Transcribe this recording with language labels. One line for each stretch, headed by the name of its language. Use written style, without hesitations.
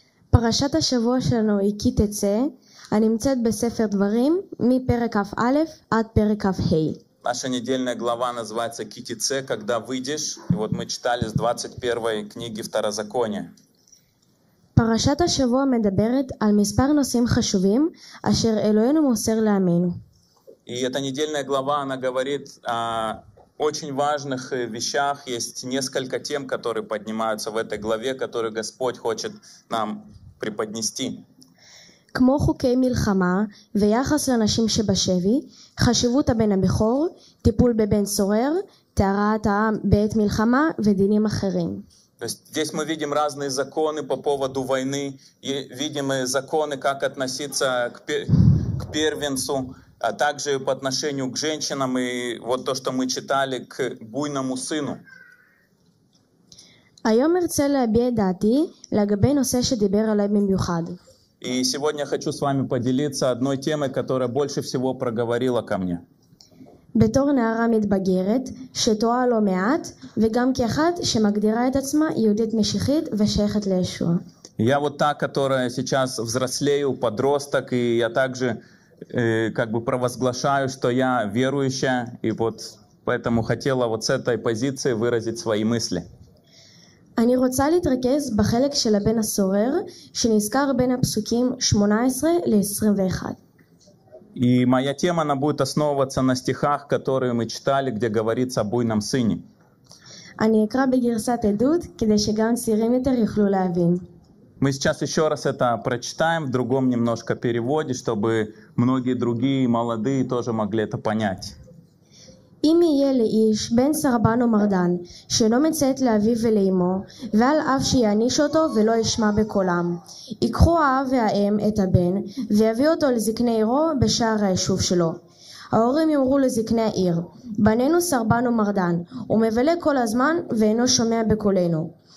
Hebrew: פרשת השבוע שלנו היא כי תצא, הנמצאת בספר דברים, מפרק א' עד פרק ה'.
Russian: Наша недельная глава называется «Ки тице», «Когда выйдешь». И вот мы читали с 21 книги Второзакония.
Hebrew: פרשת השבוע מדברת על מספר נושאים חשובים, אשר אלוהינו מוסר לעמנו.
Russian: И эта недельная глава, она говорит о очень важных вещах. Есть несколько тем, которые поднимаются в этой главе, которые Господь хочет нам преподнести.
Hebrew: כמו חוקי מלחמה ויחס לנשים שבשבי, חשיבות הבן הבכור, טיפול בבן סורר, טהרת העם בעת מלחמה ודינים אחרים.
Russian: То есть здесь мы видим разные законы по поводу войны, видим законы, как относиться к первенцу, а также по отношению к женщинам и вот то, что мы читали, к буйному сыну.
Hebrew: היום ארצה להביע דעתי לגבי נושא שדיבר עליי במיוחד.
Russian: И сегодня хочу с вами поделиться одной темой, которая больше всего проговорила ко мне.
Hebrew: בתור נערה מתבגרת שתוהה לא מעט וגם כאחת שמגדירה את עצמה יהודית משיחית ושייכת לישוע.
Russian: Я вот та, которая сейчас взрослею, подросток, и я также как бы провозглашаю, что я верующая, и вот поэтому хотела вот с этой позиции выразить свои мысли.
Hebrew: אני רוצה להתרכז בחלק של הבן הסורר שנזכר בין הפסוקים 18-21.
Russian: И моя тема, она будет основываться на стихах, которые мы читали, где говорится о буйном сыне.
Hebrew: אני אקרא בגרסת עדות כדי שגם צעירים יותר יוכלו להבין.
Russian: Мы сейчас еще раз это прочитаем в другом немножко переводе, чтобы многие другие молодые тоже могли это понять.
Hebrew: אם יהיה לאיש בן סרבן או מרדן שלא מציית לאביו ולאמו, ועל אב שיעניש אותו ולא ישמע בקולם, יקחו האב והאם את הבן ויביא אותו לזקני עירו בשער היישוב שלו. ההורים יאמרו לזקני העיר: בננו סרבן או מרדן, הוא מבלה כל הזמן ואינו שומע בקולנו.